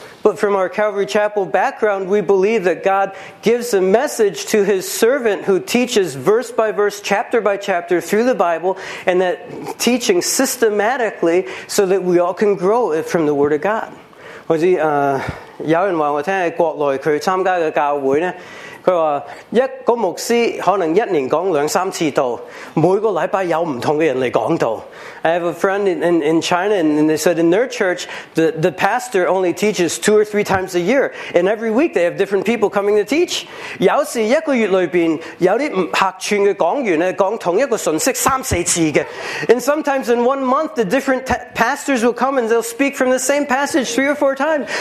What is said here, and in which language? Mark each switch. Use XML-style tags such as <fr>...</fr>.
<en>But from our Calvary Chapel background, we believe that God gives a message to His servant who teaches verse by verse, chapter by chapter through the Bible, and that teaching systematically so that we all can grow it from the Word of God.</en> <yue>或者有人话我听喺国内佢参加嘅教会咧，佢话一个牧师可能一年讲两三次道，每个礼拜有唔同嘅人嚟讲道。</yue> <en>I have a friend in China, and they said in their church, the pastor only teaches two or three times a year. And every week, they have different people coming to teach.</en> <yue>有时一个月里边有啲客串嘅讲员咧，讲同一个信息三四次嘅。</yue> <en>And sometimes in one month, the different pastors will come and they'll speak from the same passage three or four times.</en>